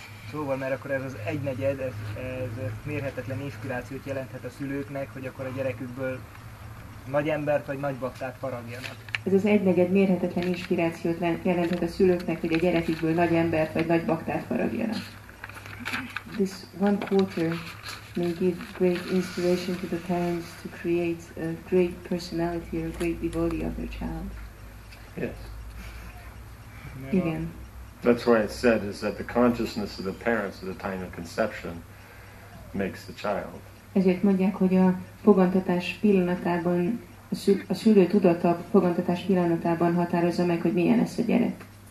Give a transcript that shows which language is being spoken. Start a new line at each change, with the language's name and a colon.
Hungarian: Szóval, mert akkor ez az egynegyed, ez mérhetetlen inspirációt jelenthet a szülőknek, hogy akkor a gyerekükből nagy embert vagy nagy baktát faragjanak. Ez az egynegyed mérhetetlen inspirációt jelenthet a szülőknek, hogy a gyerekükből nagy embert vagy nagy baktát faragjanak.
English: This one quarter may give great inspiration to the parents to create a great personality or a great devotee of their child. Yes.
Hungarian: Igen.
English: That's why it said is that the consciousness of the parents at the time of conception makes the child.
Hungarian: Ezért mondják, hogy a fogantatás pillanatában a szülő tudata a fogantatás pillanatában határozza meg, hogy milyen lesz a gyerek.